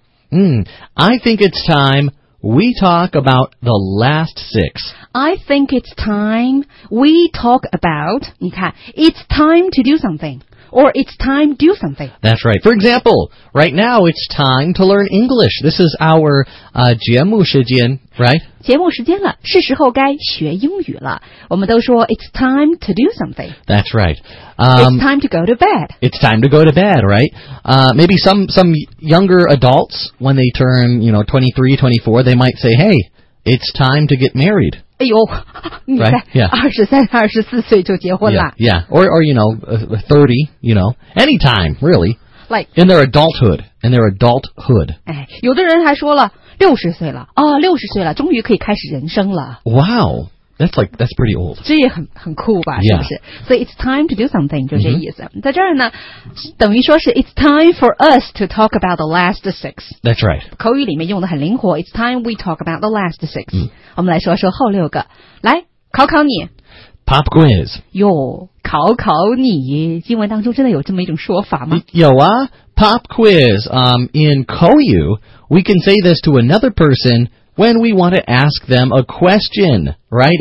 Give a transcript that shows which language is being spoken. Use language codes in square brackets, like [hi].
[en] 嗯、I think it's time we talk about the last six. I think it's time we talk about, 你看 it's time to do something, or it's time to do something. That's right. For example, right now it's time to learn English. This is our, 节目时间 right? [zh] 节目时间了是时候该学英语了。我们都说 [en] it's time to do something. That's right.、 it's time to go to bed. It's time to go to bed, right? Maybe some younger adults, when they turn, you know, 23, 24, they might say, hey, it's time to get married. [zh] 哎呦，你在 23、24岁就结婚了。 [en] Yeah, yeah. Or you know, 30, you know. Anytime, really. Like. In their adulthood. In their adulthood. [zh] 哎，有的人还说了60岁了。哦，60岁了，终于可以开始人生了。 [en] Wow. That's like, that's pretty old. [zh] 这也很酷吧、 [en] yeah. [zh] 是不是 [en] So it's time to do something, [zh] 就这意思、 [en] mm-hmm. [zh] 在这儿呢等于说是 [en] It's time for us to talk about the last six. That's right. [zh] 口语里面用的很灵活 [en] It's time we talk about the last six.、嗯、 [zh] 我们来说说后六个。来考考你。 [en] Pop quiz. [zh] 哟考考你。新闻当中真的有这么一种说法吗有啊 Pop quiz. [en] In Koyu, we can say this to another person,When we want to ask them a question, right?